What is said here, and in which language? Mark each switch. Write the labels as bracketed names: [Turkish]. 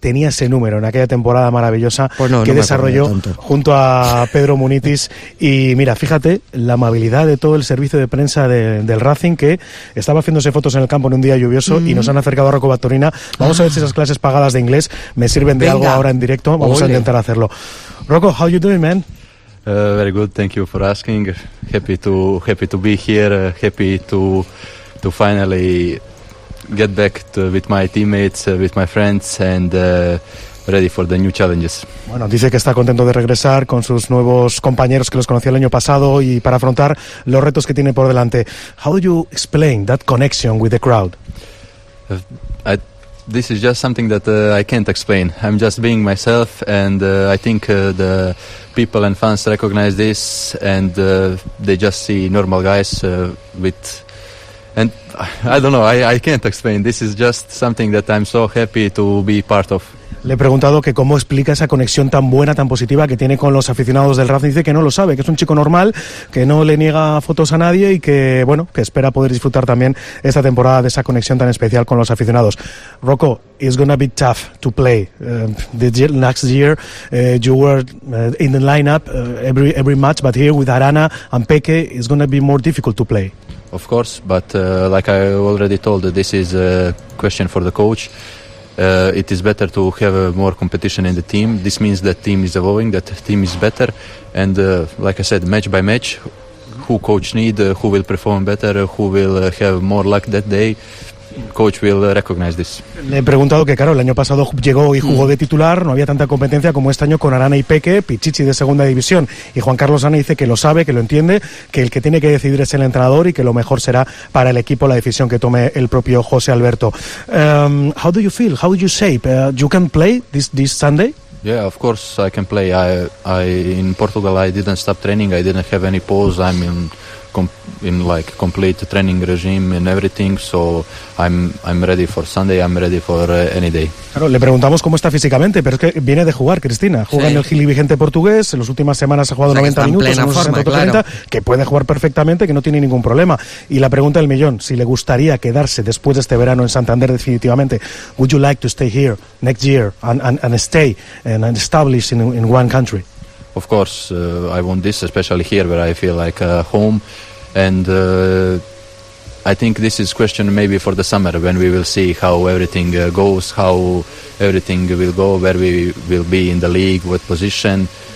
[Spanish] Tenía ese número en aquella temporada maravillosa que desarrolló junto a Pedro Munitis. Y mira, fíjate la amabilidad de todo el servicio de prensa del Racing, que estaba haciéndose fotos en el campo en un día lluvioso y nos han acercado a Rocobatorina. Vamos a ver si esas clases pagadas de inglés me sirven de algo ahora en directo. Vamos a intentar hacerlo. Rocco, [English] how you doing, man? Very good, thank you for asking. Happy to be here, happy to finally get back with my teammates, with my friends, and ready for the new challenges. [Spanish] Bueno, dice que está contento de regresar con sus nuevos compañeros que los conocí el año pasado y para afrontar los retos que tiene por delante. [English] How do you explain that connection with the crowd? This is just something that I can't explain. I'm just being myself, and I think the people and fans recognize this, and they just see normal guys with... And I don't know, I can't explain. This is just something that I'm so happy to be part of. [Spanish] Le he preguntado que cómo explica esa conexión tan buena, tan positiva que tiene con los aficionados del Racing. Dice que no lo sabe, que es un chico normal, que no le niega fotos a nadie y que, bueno, que espera poder disfrutar también esta temporada de esa conexión tan especial con los aficionados. [English] Rocco, it's going to be tough to play. Next year, you were in the lineup every match, but here with Arana and Peque, it's going to be more difficult to play. Of course, but like I already told, this is a question for the coach. It is better to have more competition in the team. This means that team is evolving, that team is better. And like I said, match by match, who coach need, who will perform better, who will have more luck that day, coach will recognize this. [Spanish] Le he preguntado que, claro, el año pasado llegó y jugó de titular, no había tanta competencia como este año con Arana y Peque, Pichichi de segunda división. Y Juan Carlos Ana dice que lo sabe, que lo entiende, que el que tiene que decidir es el entrenador y que lo mejor será para el equipo la decisión que tome el propio José Alberto. [English] How do you feel? How do you shape? You can play this Sunday? Yeah, of course I can play. I in Portugal I didn't stop training. I didn't have any pause. I'm in complete training regime and everything. So I'm ready for Sunday. I'm ready for any day. [Spanish] Claro, le preguntamos cómo está físicamente, pero es que viene de jugar, Cristina. Juega sí. En el Gil y Vigente portugués. En las últimas semanas ha jugado 90 minutos. En plena forma, 60, claro. 30, que puede jugar perfectamente, que no tiene ningún problema. Y la pregunta del millón: si le gustaría quedarse después de este verano en Santander definitivamente. [English] Would you like to stay here next year and stay and establish in one country? Of course, I want this, especially here where I feel like home. And I think this is question maybe for the summer when we will see how everything goes, how everything will go, where we will be in the league, what position.